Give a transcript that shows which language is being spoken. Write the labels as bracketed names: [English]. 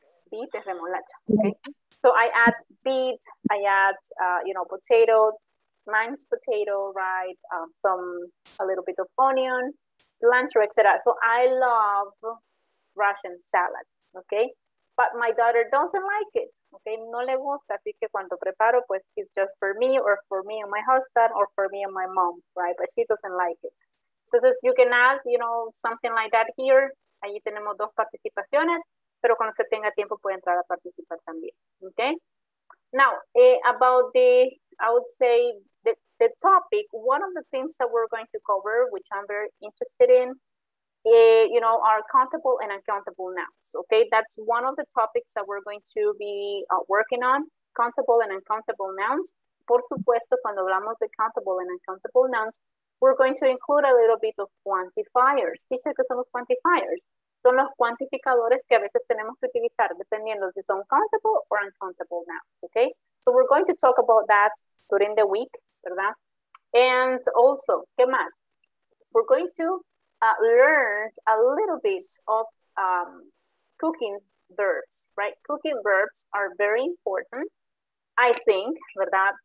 [English] Beet [Spanish] es remolacha, [English] okay? So I add beet, I add, you know, potato, minus potato, right, a little bit of onion, cilantro, etc. So I love Russian salad, okay? But my daughter doesn't like it. Okay, [Spanish] no le gusta. Así que cuando preparo, pues, [English] it's just for me or for me and my husband or for me and my mom, right? But she doesn't like it. [Spanish] Entonces, [English] you can add, you know, something like that here. [Spanish] Allí tenemos dos participaciones, pero cuando se tenga tiempo puede entrar a participar también. [English] Okay? Now, about the, I would say, the topic, one of the things that we're going to cover, which I'm very interested in, you know, are countable and uncountable nouns, okay? That's one of the topics that we're going to be working on, countable and uncountable nouns. [Spanish] Por supuesto, cuando hablamos de [English] countable and uncountable nouns, we're going to include a little bit of quantifiers. [Spanish] Teacher, ¿qué son los quantifiers? Son los cuantificadores que a veces tenemos que utilizar, dependiendo si son [English] countable or uncountable nouns, [Spanish] okay? [English] So we're going to talk about that during the week, [Spanish] ¿verdad? [English] And also, [Spanish] ¿qué más? [English] We're going to learn a little bit of cooking verbs, right? Cooking verbs are very important, I think, [Spanish] ¿verdad?